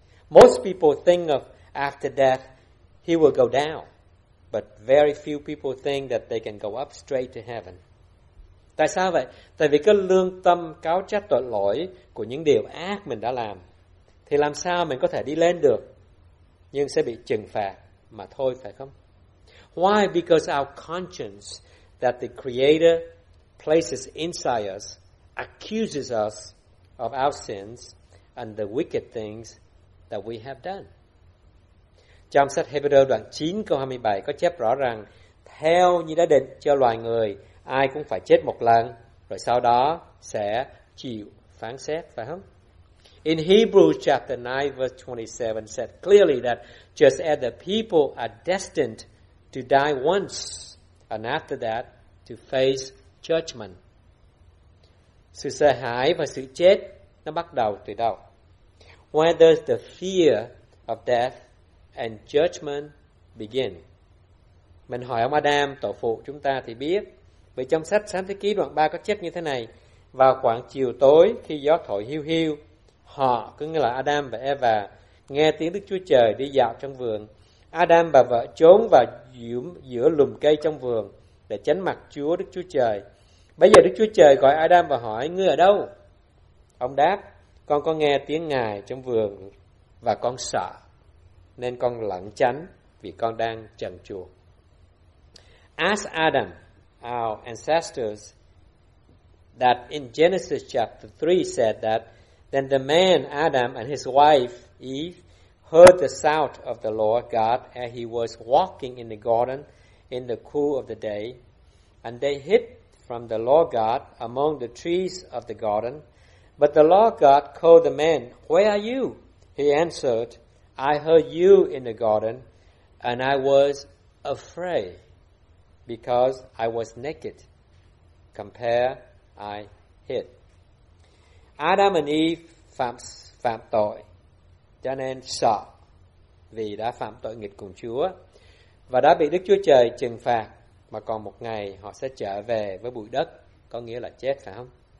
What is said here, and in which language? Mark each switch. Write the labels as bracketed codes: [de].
[en] Most people think of after death he will go down, but very few people think that they can go up straight to heaven. [vi] Tại sao vậy? Tại vì cái lương tâm cáo trách tội lỗi của những điều ác mình đã làm, thì làm sao mình có thể đi lên được, nhưng sẽ bị trừng phạt mà thôi, phải không? [en] Why? Because our conscience that the Creator places inside us accuses us of our sins and the wicked things that we have done. [vi] Trong sách Hebrew đoạn 9 câu 27 có chép rõ rằng theo như đã định cho loài người ai cũng phải chết một lần rồi sau đó sẽ chịu phán xét, phải không? [en] In Hebrews chapter 9 verse 27 said clearly that just as the people are destined to die once and after that to face judgment. [vi] Sự sợ hãi và sự chết nó bắt đầu từ đâu? [en] Where does the fear of death and judgment begin? [vi] Mình hỏi ông Adam, tổ phụ chúng ta thì biết. Vì trong sách Sáng Thế Ký đoạn 3 có chép như thế này. Vào khoảng chiều tối khi gió thổi hiu hiu, họ, cứ nghĩa là Adam và Eva, nghe tiếng Đức Chúa Trời đi dạo trong vườn. Adam và vợ trốn vào giữa lùm cây trong vườn để tránh mặt Chúa Đức Chúa Trời. Bây giờ Đức Chúa Trời gọi Adam và hỏi, ngươi ở đâu? Ông đáp, con có nghe tiếng Ngài trong vườn và con sợ, nên con lẩn tránh vì con đang trần truồng. [en] As Adam, our ancestors, that in Genesis chapter 3 said that, then the man Adam and his wife Eve heard the sound of the Lord God as he was walking in the garden in the cool of the day, and they hid from the Lord God among the trees of the garden. But the Lord God called the man, "Where are you?" He answered, "I heard you in the garden, and I was afraid because I was naked. Compare, I hid." [vi] Adam and Eve phạm tội, cho nên sợ vì đã phạm tội nghịch cùng Chúa và đã bị Đức Chúa Trời trừng phạt, mà còn một ngày họ sẽ trở về với bụi đất, có nghĩa là chết, phải không?